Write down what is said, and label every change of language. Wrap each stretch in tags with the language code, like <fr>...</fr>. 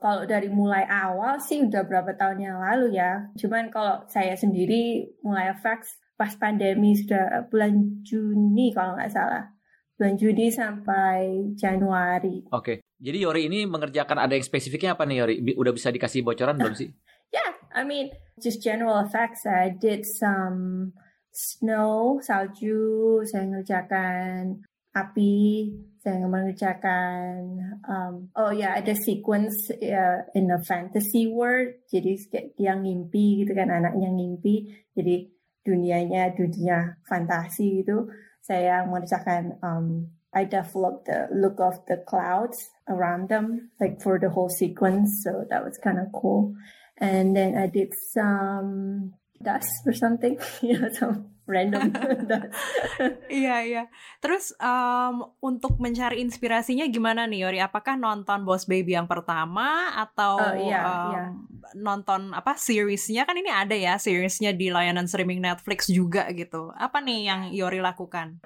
<id>Kalau dari mulai awal sih udah berapa tahun yang lalu ya. Cuman kalau saya sendiri mulai effects pas pandemi sudah bulan Juni kalau nggak salah. Bulan Juni sampai Januari. Oke, jadi Yori ini mengerjakan ada yang spesifiknya apa nih Yori? Udah bisa dikasih bocoran belum sih?</id> <en>I mean, just general effects. I did some snow,</en> <id>salju, saya ngerjakan api, saya ngerjakan, ada</id> <en>sequence in a fantasy world.</en> <id>Jadi dia ngimpi gitu kan, anaknya ngimpi. Jadi dunianya dunia fantasi gitu. Saya ngerjakan,</id> <en>I developed the look of the clouds around them, like for the whole sequence. So that was kind of cool. And then I did some dust or something, you know, some random dust.</en> <id>Iya. Terus untuk mencari inspirasinya gimana nih, Yori? Apakah nonton Boss Baby yang pertama atau nonton apa seriesnya? Kan ini ada ya seriesnya di layanan streaming Netflix juga gitu. Apa nih yang Yori lakukan?</id>